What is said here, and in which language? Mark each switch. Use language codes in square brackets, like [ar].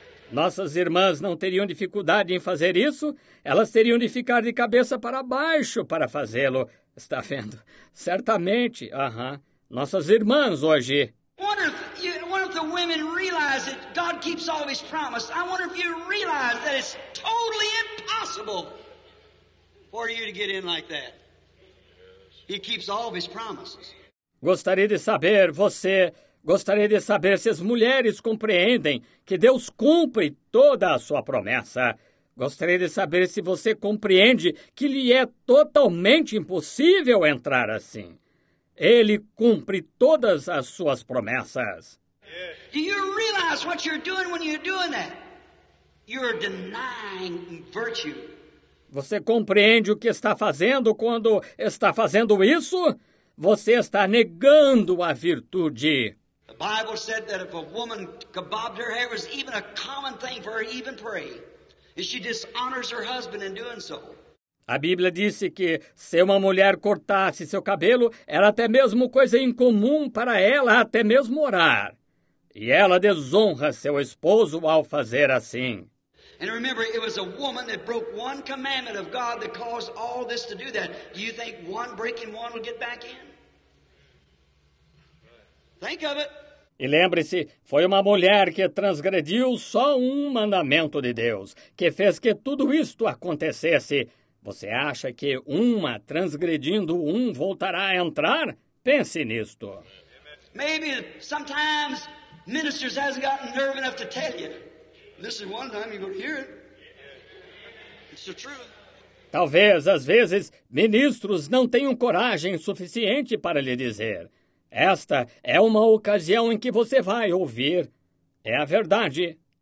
[pt] Nossas irmãs não teriam dificuldade em fazer isso. Elas teriam de ficar de cabeça para baixo para fazê-lo. Está vendo? Certamente. Uh-huh. Nossas irmãs hoje. [en] What if the women realize that God keeps all His promises? I wonder if you realize that it's totally impossible for you to get in like that. He keeps all His promises. [pt] Gostaria de saber, você... Gostaria de saber se as mulheres compreendem que Deus cumpre toda a sua promessa. Gostaria de saber se você compreende que lhe é totalmente impossível entrar assim. Ele cumpre todas as suas promessas. [en] Do you realize what you're doing when you're doing that? You're denying virtue. [pt] Você compreende o que está fazendo quando está fazendo isso? Você está negando a virtude. [en] The Bible said that if a woman kebabbed her hair, it was even a common thing for her to even pray. And she dishonors her husband in doing so. [pt] A Bíblia disse que se uma mulher cortasse seu cabelo, era até mesmo coisa incomum para ela até mesmo orar. E ela desonra seu esposo ao fazer assim. [en] And remember, it was a woman that broke one commandment of God that caused all this to do that. Do you think one breaking one will get back in? Think of it. [pt] E lembre-se, foi uma mulher que transgrediu só um mandamento de Deus, que fez que tudo isto acontecesse. Você acha que uma transgredindo um voltará a entrar? Pense nisto. [en] Maybe sometimes ministers hasn't gotten nerve enough to tell you. Listen one time, you're going to hear it. It's the truth. [pt] Talvez, às vezes, ministros não tenham coragem suficiente para lhe dizer. Esta é uma ocasião em que você vai ouvir. É a verdade.